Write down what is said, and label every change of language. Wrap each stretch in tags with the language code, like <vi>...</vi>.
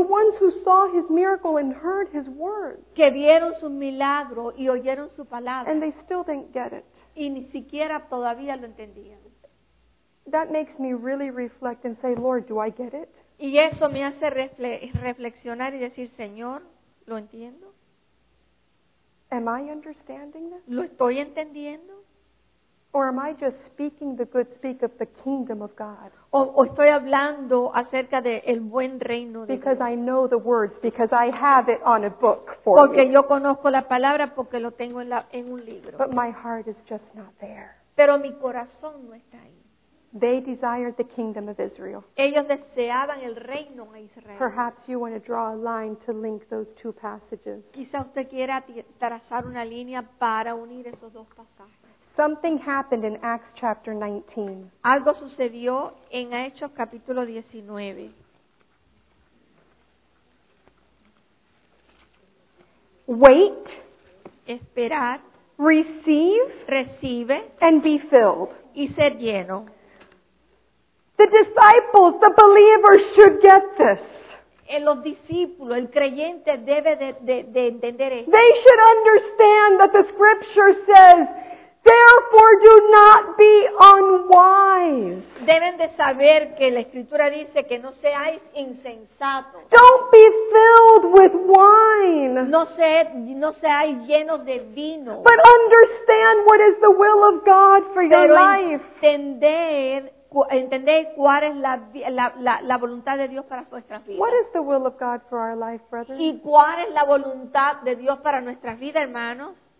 <en>The ones who saw his miracle and heard his word.</en> <es>Que vieron su milagro y oyeron su palabra.</es> <en>And they still didn't get it.</en> <es>Y ni siquiera todavía lo entendían.</es> <en>That makes me really reflect and say, Lord, do I get it?</en> <es>Y eso me hace reflexionar y decir, Señor, ¿lo entiendo?</es> <en>Am I understanding this?</en> <es>¿Lo estoy entendiendo?</es> <en>Or am I just speaking the good speak of the kingdom of God?</en> <es>O estoy hablando acerca de el buen reino de</es> <en>because</en> <es>Dios.</es> <en>I know the words because I have it on a book for</en> <es>porque</es> <en>me.</en> <es>Porque yo conozco la palabra porque lo tengo en un libro.</es> <en>But my heart is just not there.</en> <es>Pero mi corazón no está ahí.</es> <en>They desired the kingdom of Israel.</en> <es>Ellos deseaban el reino de Israel.</es> <en>Perhaps you want to draw a line to link those two passages.</en> <es>Quizá usted quiera trazar una línea para unir esos dos pasajes.</es> <en>Something happened in Acts chapter 19.</en> <es>Algo sucedió en Hechos capítulo 19.</es> <en>Wait.</en> <es>Esperar.</es> <en>Receive.</en> <es>Recibe.</es> <en>And be filled.</en> <es>Y ser lleno.</es> <en>The disciples, the believers should get this.</en> <es>En los discípulos, el creyente debe de entender esto.</es> <en>They should understand that the scripture says, therefore do not be unwise.</en> <es>Deben de saber que la escritura dice que no seáis insensatos.</es> <en>Don't be filled with wine.</en> <es>No seáis llenos de vino.</es> <en>But understand what is the will of God for your life.</en> <es>Entender cuál es la voluntad de Dios para nuestras vidas.</es> <en>What is the will of God for our life, brother?</en> <es>¿Y cuál es la voluntad de Dios para nuestras vidas, hermanos?</es>